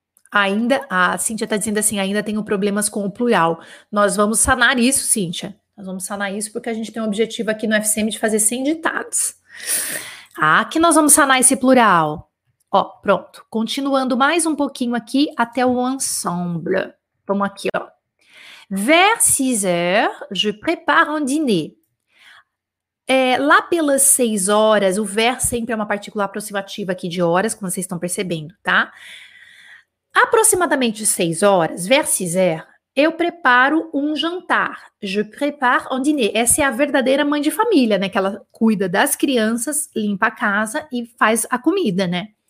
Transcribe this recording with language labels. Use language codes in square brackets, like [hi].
[pt] Ainda, a Cíntia tá dizendo assim, ainda tenho problemas com o plural. Nós vamos sanar isso, Cíntia. Nós vamos sanar isso porque a gente tem um objetivo aqui no FCM de fazer 100 ditados. Aqui nós vamos sanar esse plural. Ó, pronto. Continuando mais um pouquinho aqui até o ensemble. Vamos aqui, ó. [fr] Vers 6 heures, je prépare un dîner. [pt] É, lá pelas 6 horas, o ver sempre é uma partícula aproximativa aqui de horas, como vocês estão percebendo, tá? Aproximadamente 6 horas, [fr] vers 6 heures, [pt] eu preparo um jantar. [fr] Je prépare un dîner. [pt] Essa é a verdadeira mãe de família, né? Que ela cuida das crianças, limpa a casa e faz a comida, né?